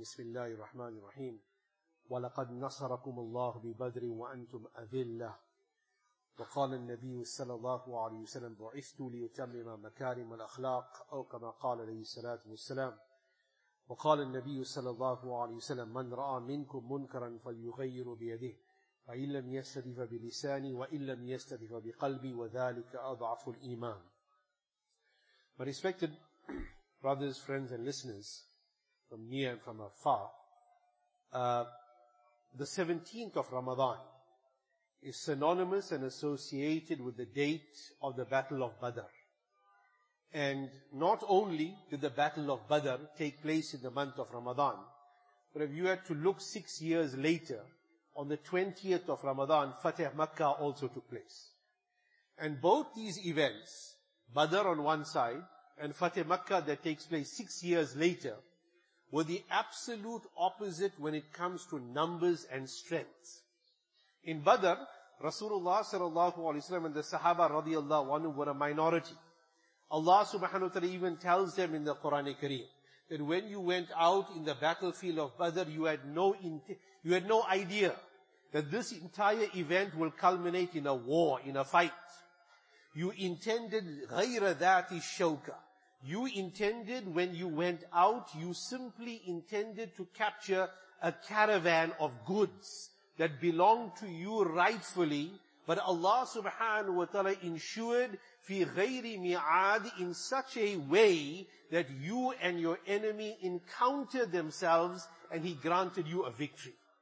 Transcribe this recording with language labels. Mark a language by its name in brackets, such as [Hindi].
[Arabic] بسم الله الرحمن الرحيم. ولقد نصركم الله ببدر وأنتم أذلة، وقال النبي صلى الله عليه وسلم: بعثت ليتمم مكارم الأخلاق، أو كما قال عليه الصلاة والسلام. وقال النبي صلى الله عليه وسلم: من رأى منكم منكرا فليغير بيده، فإن لم يستطف بلساني وإن لم يستطف بقلبي وذلك أضعف الإيمان. [English] My respected brothers, friends and listeners from near and from afar, the 17th of Ramadan is synonymous and associated with the date of the Battle of Badr. And not only did the Battle of Badr take place in the month of Ramadan, but if you had to look 6 years later, on the 20th of Ramadan, Fateh Makkah also took place. And both these events, Badr on one side and Fateh Makkah that takes place 6 years later, were the absolute opposite when it comes to numbers and strength. In Badr, Rasulullah sallallahu alaihi wasallam and the Sahaba radiallahu anhu were a minority. Allah subhanahu wa ta'ala even tells them in the Quran Kareem that when you went out in the battlefield of Badr, you had no idea that this entire event will culminate in a war, in a fight. You intended [Arabic] غَيْرَ ذَاتِ الشَّوْكَ. [English] You intended, when you went out, you simply intended to capture a caravan of goods that belonged to you rightfully, but Allah subhanahu wa ta'ala ensured [Arabic] fi ghayri mi'ad [English] in such a way that you and your enemy encountered themselves and He granted you a victory.